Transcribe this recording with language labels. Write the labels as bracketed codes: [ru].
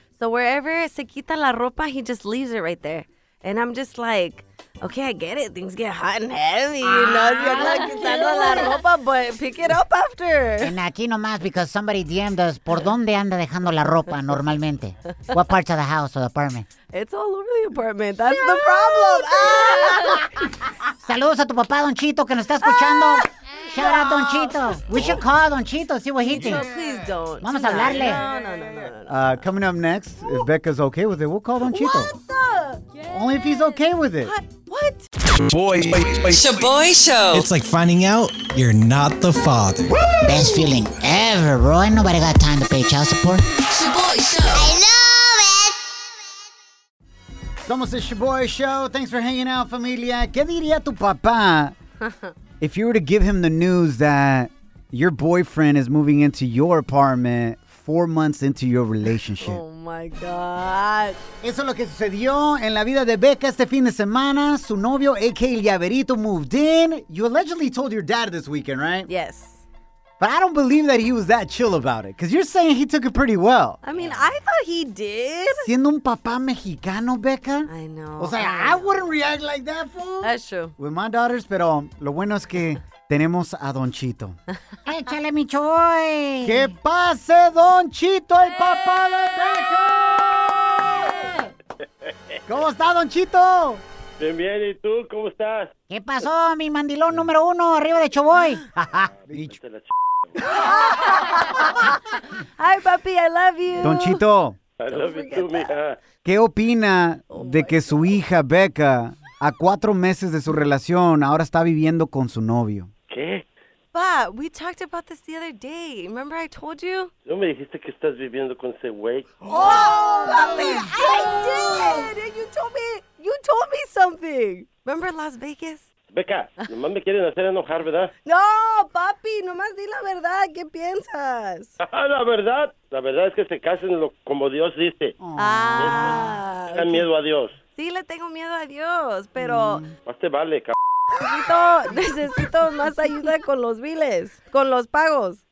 [en] So wherever [es] se quita la ropa, [en] he just leaves it right there. And I'm just like, okay, I get it. Things get hot and heavy, you know? You're not [es] quitando la ropa, [en] but pick it up after. [es] And aquí nomás, [en] because somebody DM'd us, [es] ¿por dónde anda dejando la ropa normalmente? [en] What parts of the house or the apartment? It's all over the apartment. That's the problem. [es] Saludos a tu papá, Don Chito, que nos está escuchando. [en] Shout out, Don Chito. We should call Don Chito, see what he thinks. No, please don't. [es] Vamos a hablarle. [en] No. Coming up next, if Becca's okay with it, we'll call Don Chito. What the? Yes. Only if he's okay with it. What? Shaboy Show. It's like finding out you're not the father. Woo! Best feeling ever, bro. Ain't nobody got time to pay child support. Shaboy Show. I love it. It's almost the Shaboy Show. Thanks for hanging out, familia. [es] ¿Qué diría tu papá [en] if you were to give him the news that your boyfriend is moving into your apartment 4 months into your relationship? Oh my God. [es] Eso es lo que sucedió en la vida de Becca este fin de semana. Su novio, [en] a.k.a. Llaverito, moved in. You allegedly told your dad this weekend, right? Yes. But I don't believe that he was that chill about it, because you're saying he took it pretty well. I mean, I thought he did. [es] Siendo un papá mexicano, Becca. [en] I know. [es] O sea, [en] I wouldn't react like that, fool. That's true. With my daughters, [es] pero lo bueno es que tenemos a Don Chito. ¡Échale, mi choy! ¡Que pase Don Chito, el papá de Becca! ¿Cómo está, Don Chito? Bien, bien, ¿y tú? ¿Cómo estás? ¿Qué pasó, mi mandilón número uno arriba de Choboy? ¡Ay, papi, [en] I love you! Don Chito. I love you too, mija. [es] ¿Qué opina de que su hija, Becca, a 4 meses de su relación, ahora está viviendo con su novio? ¿Qué? [en] Pa, we talked about this the other day. Remember I told you? [es] No me dijiste que estás viviendo con ese güey. [en] Oh, papi, I did! And you told me something. Remember Las Vegas? [es] Becca, nomás me quieren hacer enojar, ¿verdad? No, papi, nomás di la verdad, ¿qué piensas? La verdad es que se casen como Dios dice. Ah. Tengan miedo a Dios. Sí, le tengo miedo a Dios, pero... Más te vale, Necesito más ayuda con los biles, con los pagos.